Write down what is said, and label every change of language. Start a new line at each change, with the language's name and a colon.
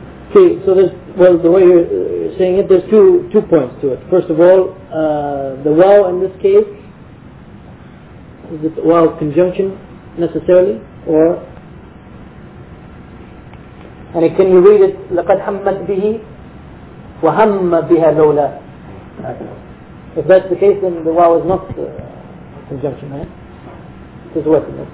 English: Okay, so the way you're saying it, there's two points to it. First of all, the waw in this case, is it waw conjunction necessarily, or? And can you read it,
Arabic: لَقَدْ حَمَّتْ بِهِ وَهَمَّ بِهَا لَوْلَا.
English: If that's the case, then the waw is not conjunction, right? It's what?